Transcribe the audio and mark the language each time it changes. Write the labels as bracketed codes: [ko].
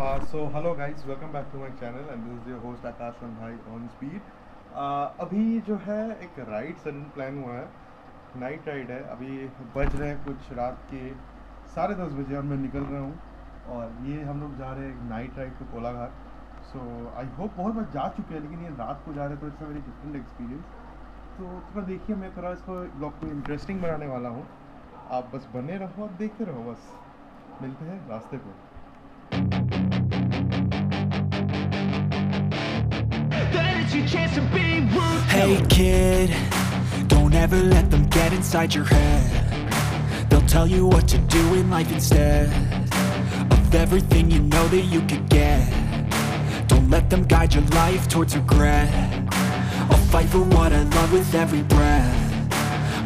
[en] So hello guys, welcome back to my channel and this is your host Akash from High On Speed. [hi] अभी जो है एक ride sudden plan हुआ है, night ride है. अभी बज रहे हैं कुछ रात के 10:30 बजे और मैं निकल रहा हूँ और ये हम लोग जा रहे हैं [en] Night ride to Kolaghat. So I hope [hi] बहुत बार जा चुके हैं लेकिन ये रात को जा रहे हैं तो [en] It's a very different experience. [hi] तो थोड़ा देखिए, मैं थोड़ा इसको ब्लॉग को इंटरेस्टिंग बनाने वाला हूँ. आप बस बने रहो और देखते रहो, बस मिलते हैं रास्ते पर. [en] Hey kid, don't ever let them get inside your head. They'll tell you what to do in life instead of everything you know that you could get. Don't let them guide your life towards regret. I'll fight for what I love with every breath.